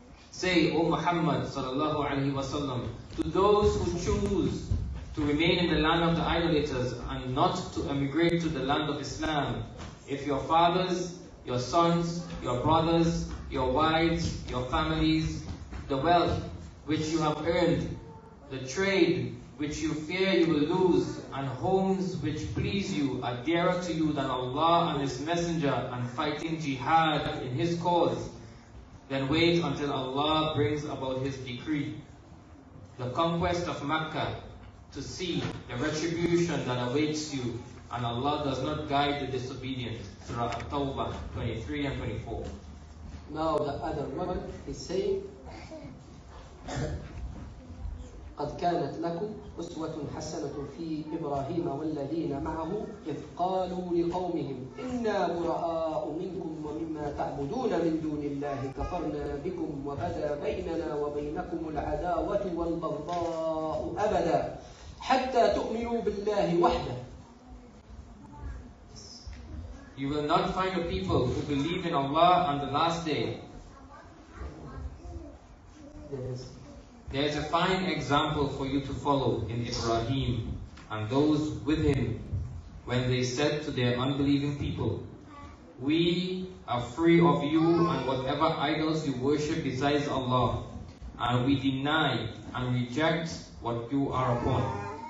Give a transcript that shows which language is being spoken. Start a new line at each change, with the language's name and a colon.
English: Say, O Muhammad sallallahu alaihi wasallam, to those who choose to remain in the land of the idolaters and not to emigrate to the land of Islam, if your fathers, your sons, your brothers, your wives, your families, the wealth which you have earned, the trade which you fear you will lose, and homes which please you are dearer to you than Allah and His Messenger and fighting jihad in His cause, then wait until Allah brings about His decree, the conquest of Mecca, to see the retribution that awaits you, and Allah does not guide the disobedient. Surah At-Tawbah 23 and 24. Now the other woman is saying,
Arabic: قد كانت لكم أسوة حسنة في إبراهيم والذين معه إذ قالوا لقومهم إنا براء منكم ومما تعبدون من دون الله كفرنا بكم وبدا بيننا وبينكم العداوة والبغضاء أبدا حتى تؤمنوا بالله وحده.
English: You will not find a people who believe in Allah on the last day. There is a fine example for you to follow in Ibrahim and those with him when they said to their unbelieving people, "We are free of you and whatever idols you worship besides Allah, and we deny and reject what you are upon.